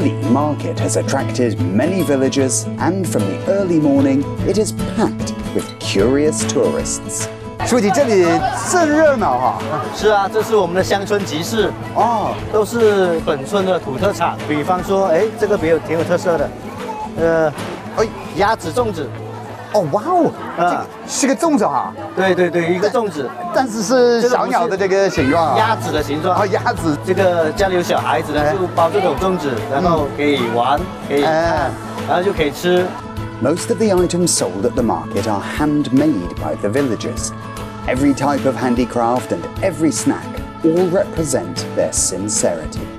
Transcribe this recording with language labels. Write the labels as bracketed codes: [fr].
[en] Market has attracted many villagers, and from the early morning, it is packed with curious tourists. [zh] 说起这里正热闹哈、啊，是啊，这是我们的乡村集市哦，都是本村的土特产。比方说，哎，这个挺有特色的，鸭子粽子。哦，哇哦，是个粽子啊！对对对，一个粽子，但是是小鸟的这个形状、啊，鸭子的形状。哦，鸭子，这个家里有小孩子呢，就包这种粽子，然后可以玩，可以看、然后就可以吃。 [en] Most of the items sold at the market are handmade by the villagers. Every type of handicraft and every snack all represent their sincerity.